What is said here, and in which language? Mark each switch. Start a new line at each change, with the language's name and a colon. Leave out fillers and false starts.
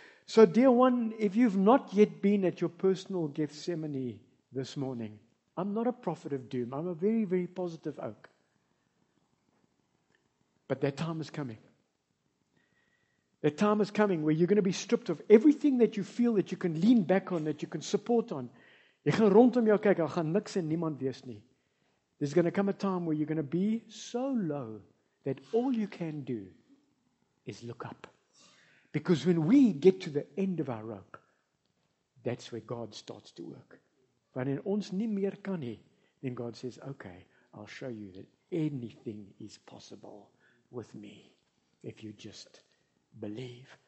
English: So, dear one, if you've not yet been at your personal Gethsemane this morning, I'm not a prophet of doom. I'm a very, very positive oak. But that time is coming. That time is coming where you're going to be stripped of everything that you feel that you can lean back on, that you can support on.
Afrikaans: Jy gaan rondom jou kyk, jy gaan niks en niemand wees nie.
English: There's going to come a time where you're going to be so low that all you can do is look up. Because when we get to the end of our rope, that's where God starts to work.
Afrikaans: Wanneer ons nie meer kan nie,
English: then God says, okay, I'll show you that anything is possible with me if you just believe.